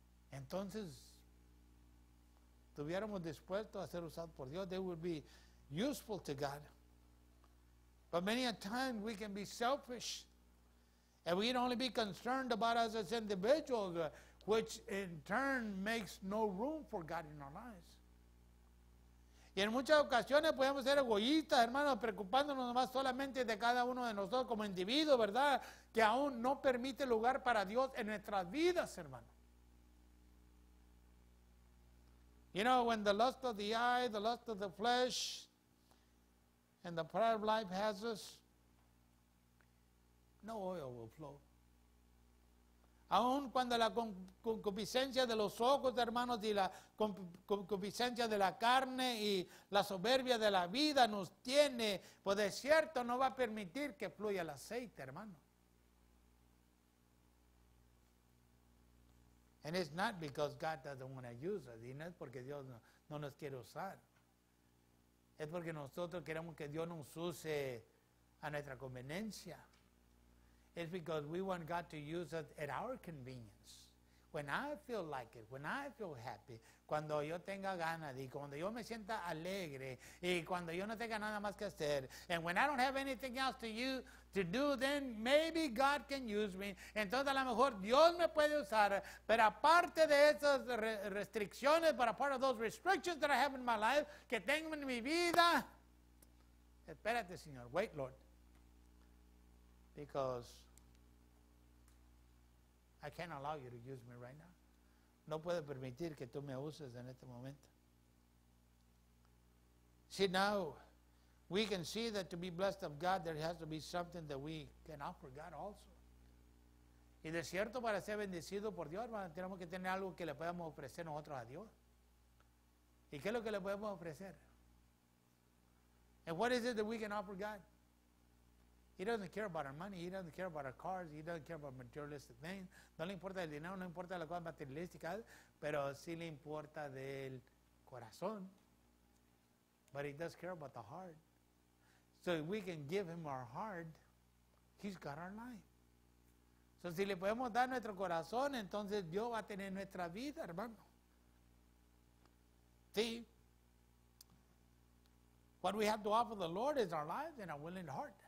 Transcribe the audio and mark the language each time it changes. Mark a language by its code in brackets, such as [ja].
[es] Entonces, tuviéramos dispuesto a ser usados por Dios, [en] they would be useful to God. But many a time we can be selfish and we can only be concerned about us as individuals, which in turn makes no room for God in our lives. [es] Y en muchas ocasiones podemos ser egoístas, hermanos, preocupándonos más solamente de cada uno de nosotros como individuos, ¿verdad? Que aún no permite lugar para Dios en nuestras vidas, hermanos. [en] You know, when the lust of the eye, the lust of the flesh, and the pride of life has us, no oil will flow. [es] aun cuando la concupiscencia de los ojos, hermanos, y la concupiscencia de la carne y la soberbia de la vida nos tiene, pues de cierto no va a permitir que fluya el aceite, hermano. [en] And it's not because God doesn't want to use us, [es] y no es porque Dios no nos quiere usar. Es porque nosotros queremos que Dios nos use a nuestra conveniencia. [en] It's because we want God to use us at our convenience. When I feel like it, when I feel happy, [es] cuando yo tenga ganas y cuando yo me sienta alegre y cuando yo no tenga nada más que hacer, [en] and when I don't have anything else to do, then maybe God can use me. [es] Entonces a lo mejor Dios me puede usar, pero aparte de esas restricciones, [en] but apart of those restrictions that I have in my life, [es] que tengo en mi vida, espérate, Señor, [en] wait, Lord. Because I can't allow you to use me right now. [es] No puedo permitir que tú me uses en este momento. [en] See, now we can see that to be blessed of God, there has to be something that we can offer God also. [es] Y de cierto, para ser bendecido por Dios, hermano, tenemos que tener algo que le podamos ofrecer nosotros a Dios. ¿Y qué es lo que le podemos ofrecer? [en] And what is it that we can offer God? He doesn't care about our money. He doesn't care about our cars. He doesn't care about materialistic things. [es] No le importa el dinero, no importa las cosas materialísticas, pero sí le importa del corazón. [en] But he does care about the heart. So if we can give him our heart, he's got our life. [es] So si le podemos dar nuestro corazón, entonces Dios va a tener nuestra vida, hermano. [en] See, what we have to offer the Lord is our lives and our willing heart.